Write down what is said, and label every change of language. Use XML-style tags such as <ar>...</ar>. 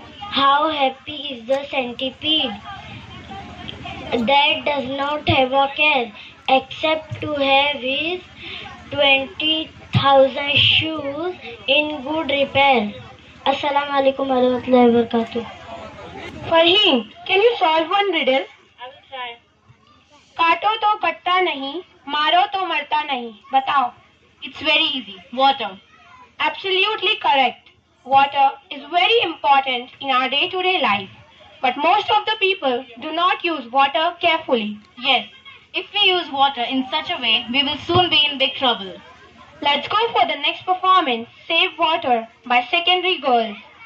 <en>How happy is the centipede that does not have a care except to have his 20,000 shoes in good repair.</en> <ar>Assalamu alaikum wa rahmatullahi wa barakatuh.</ar> <en>Farheen, can you solve one riddle?</en> <hi>काटो तो कटता नहीं, मारो तो मरता नहीं, बताओ।</hi> <en>It's very easy. Water. Absolutely correct. Water is very important in our day-to-day life. But most of the people do not use water carefully. Yes. If we use water in such a way, we will soon be in big trouble. Let's go for the next performance, Save Water by Secondary Girls.</en>